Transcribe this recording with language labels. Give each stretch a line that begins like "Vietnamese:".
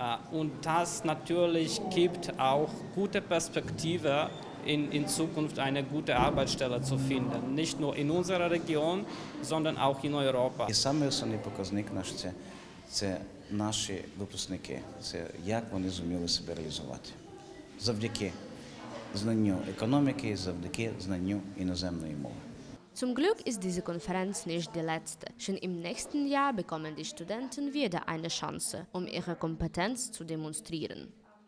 German: Und das natürlich gibt auch gute Perspektive, in Zukunft eine gute Arbeitsstelle zu finden, nicht nur in unserer Region, sondern auch in Europa.
Ukrainian: І саме основний показник наш це наші випускники, це як вони зуміли себе реалізувати. Завдяки знанню економіки, завдяки знанню іноземної мови.
German: Zum Glück ist diese Konferenz nicht die letzte. Schon im nächsten Jahr bekommen die Studenten wieder eine Chance, um ihre Kompetenz zu demonstrieren.